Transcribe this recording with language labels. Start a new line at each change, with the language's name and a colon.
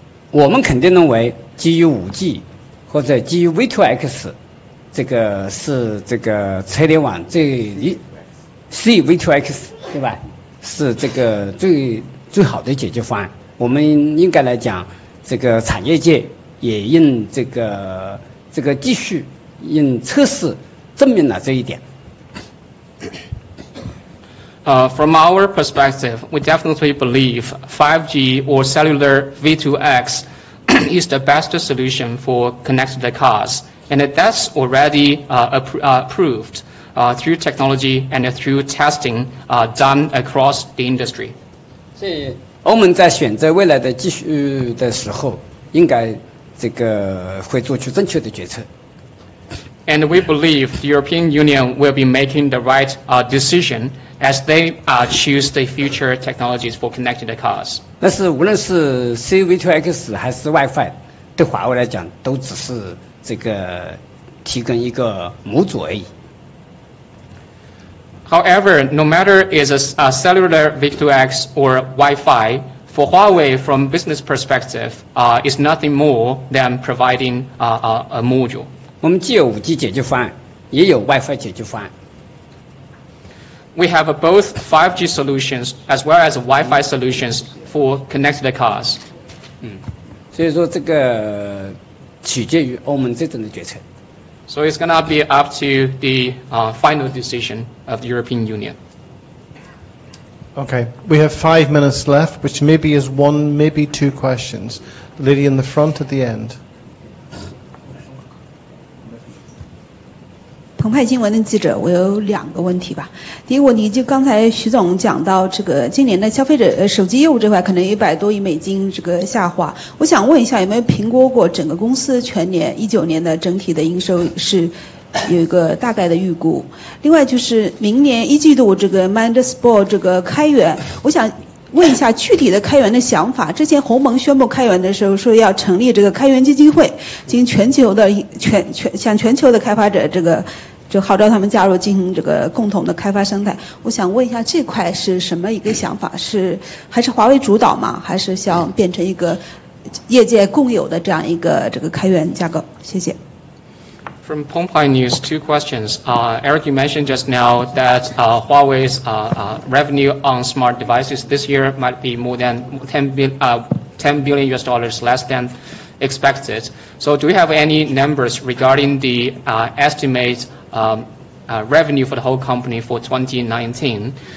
Chinese: 我们肯定认为基于 5G 或者基于 V2X 这个是这个车联网最 CV2X 对吧，是这个最好的解决方案。我们应该来讲这个产业界也应这个继续应测试证明了这一点。
English: From our perspective, we definitely believe 5G or cellular V2X is the best solution for connected cars, and that's already approved through technology and through testing done across the industry.
Chinese: 所以欧盟在选择未来的继续的时候，应该这个会做出正确的决策。
English: And we believe the European Union will be making the right decision as they choose the future technologies for connected cars.
Chinese: 但是无论是 CV2X 还是 WiFi， 对华为来讲都只是这个提供一个模组而已。
English: However, no matter is a cellular V2X or Wi-Fi, for Huawei, from business perspective, is nothing more than providing a module.
Chinese: 我们既有 5G 解决方案，也有 Wi-Fi 解决方案。
English: We have both 5G solutions as well as Wi-Fi solutions for connected cars.
Chinese: 所以说这个取决于欧盟这种的决策。
English: So it's going to be up to the final decision of the European Union. Okay, we have 5 minutes left, which maybe is one, maybe two questions. The lady in the front at the end.
Chinese: 澎湃新闻的记者，我有两个问题吧。第一个问题，就刚才徐总讲到这个今年的消费者手机业务这块可能$100多亿这个下滑，我想问一下，有没有评估过整个公司全年19年的整体的营收是有一个大概的预估？另外就是明年一季度这个 MindSpore 这个开源，我想问一下具体的开源的想法。之前鸿蒙宣布开源的时候说要成立这个开源基金会，经全球的向全球的开发者这个就号召他们加入进行这个共同的开发生态。我想问一下这块是什么一个想法，是还是华为主导吗，还是想变成一个业界共有的这样一个这个开源架构？谢谢。
English: From Pongpai News, two questions. Eric, you mentioned just now that Huawei's revenue on smart devices this year might be more than $10 billion US dollars less than expected. So do we have any numbers regarding the estimate revenue for the whole company for 2019?